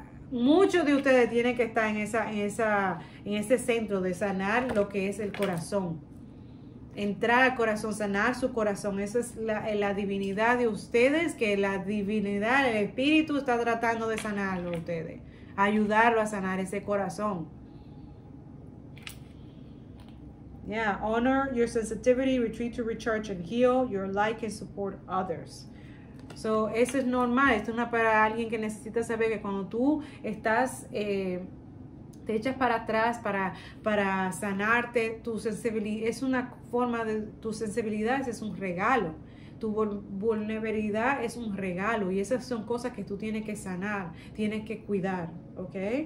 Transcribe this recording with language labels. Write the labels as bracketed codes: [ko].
[es] Muchos de ustedes tienen que estar en ese centro de sanar lo que es el corazón. Entrar al corazón, sanar su corazón. Esa es la divinidad de ustedes, que la divinidad, el espíritu está tratando de sanarlo a ustedes. Ayudarlo a sanar ese corazón. [en] Yeah, honor your sensitivity, retreat to recharge and heal. Your light can support others. [es] So, eso es normal. Esto es una para alguien que necesita saber que cuando tú estás, te echas para atrás para sanarte, tu sensibilidad es una forma de, tu sensibilidad es un regalo. Tu vulnerabilidad es un regalo. Y esas son cosas que tú tienes que sanar, tienes que cuidar, ¿ok?